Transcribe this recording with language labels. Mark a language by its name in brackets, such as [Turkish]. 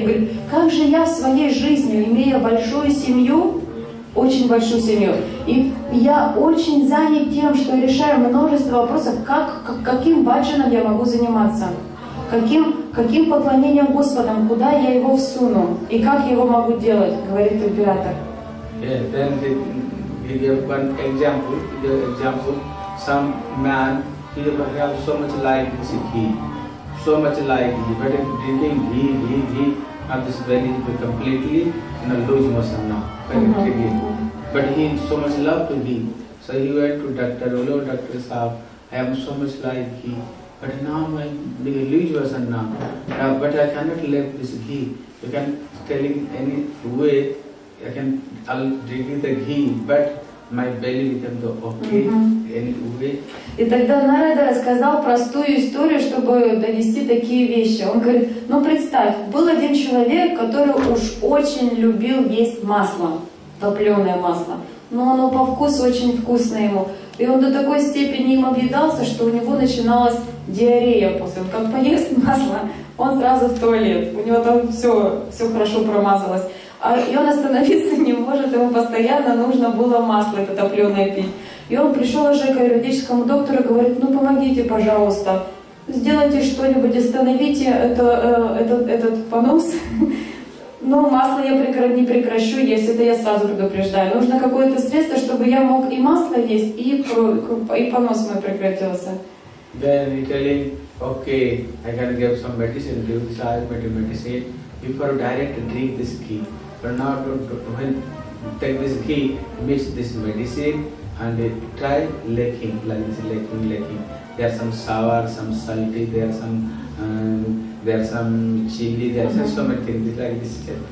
[Russian] Говорит, как же я в своей жизни, имея большую семью, очень большую семью. И я очень занят тем, что решаю множество вопросов, каким баджаном я могу заниматься, каким поклонением Господом, куда я его всуну, и как его могу делать, говорит император. [English] Yeah, then he gave one example, some man, he have so much like this ghee, so much like ghee, but if drinking ghee, and this very completely, you know, lose motion now. But he is so much love to ghee. So he went to doctor, hello doctor sahab, I am so much like ghee. But now I am being religious and now. But I cannot let this ghee. You can tell him any way, I'll drink the ghee, but my belly become the okay. [Russian] И тогда Нарада рассказал простую историю, чтобы донести такие вещи. Он говорит, ну представь, был один человек, который уж очень любил есть масло, топленое масло. Но оно по вкусу очень вкусно ему. И он до такой степени им объедался, что у него начиналась диарея после. Он как поест масло, он сразу в туалет. У него там все хорошо промазалось. А и он остановиться не может, ему постоянно нужно было масло это топленое пить. И он пришел уже к аюрведическому доктору и говорит, ну помогите, пожалуйста, сделайте что-нибудь, остановите этот понос. Но масло я не прекращу есть, это я сразу предупреждаю. Нужно какое-то средство, чтобы я мог и масло есть, и понос мой прекратился. [English] Then he tell him, okay, I can give some medicine, give this ayurvedic medicine, before direct drink this ghee. But now don't take this ghee, mix this medicine. And they try licking, like this, licking. There are some sour, some salty, there are some chili, there are so many things like this.